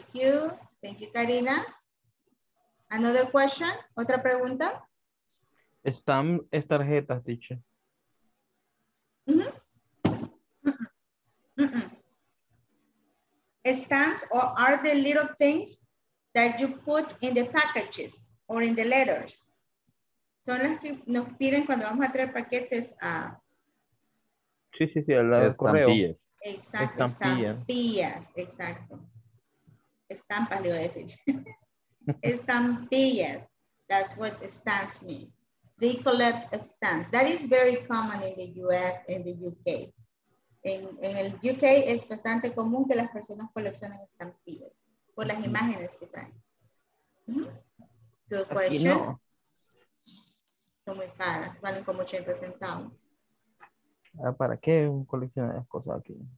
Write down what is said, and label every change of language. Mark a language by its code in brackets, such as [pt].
[en] Thank you. Thank you, Karina. Another question? [es] ¿Otra pregunta? Stamp es tarjetas, teacher. [en] Stamps or are the little things that you put in the packages or in the letters? [es] Son las que nos piden cuando vamos a traer paquetes a, Sí, sí, sí, al lado del correo. Estampillas. Exacto, estampillas, exacto. Estampas, le voy a decir. [en] Estampillas, that's what stamps mean. They collect stamps. That is very common in the US and the UK. [es] En el UK es bastante común que las personas coleccionen estampillas por las imágenes que traen. [en] Good question. [es] Son muy caras, valen como 80 centavos. ¿Para qué coleccionar las cosas aquí?